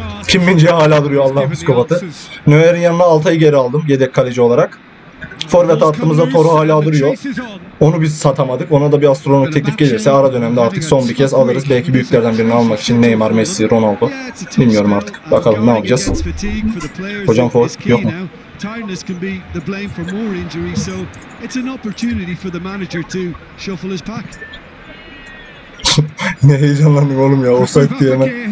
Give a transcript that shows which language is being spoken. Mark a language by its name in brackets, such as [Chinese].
[Turkish] Kim Minci hala duruyor Allah'ın psikopatı. Neuer'in yanına Altay'ı geri aldım. Yedek kaleci olarak. Forvet hattımızda Toro hala duruyor. Onu biz satamadık. Ona da bir astronomik teklif gelirse ara dönemde artık son bir kez alırız. Belki büyüklerden birini almak için Neymar, Messi, Ronaldo. Bilmiyorum artık. Bakalım ne yapacağız. Hocam Ford yok mu? [English] Tiredness can be the blame for more injuries, so it's an opportunity for the manager to shuffle his pack. [Turkish] Ne heyecanlandım oğlum ya, offside diye hemen.